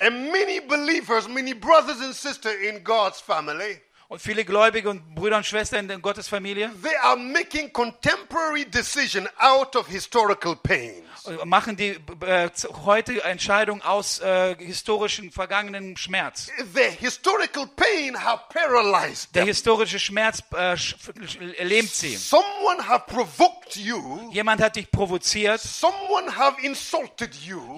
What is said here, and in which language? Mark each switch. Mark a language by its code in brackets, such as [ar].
[en] And many believers, many brothers and sisters in God's family. [de] Und viele Gläubige und Brüder und Schwestern in Gottes Familie. [en] They are making contemporary decision out of historical pain. [de] machen die heute Entscheidung aus historischen vergangenen Schmerz. [en] The historical pain have paralyzed them. [de] Der historische Schmerz lähmt sie. [en] Someone have provoked you. [de] Jemand hat dich provoziert. [en] Someone have insulted you.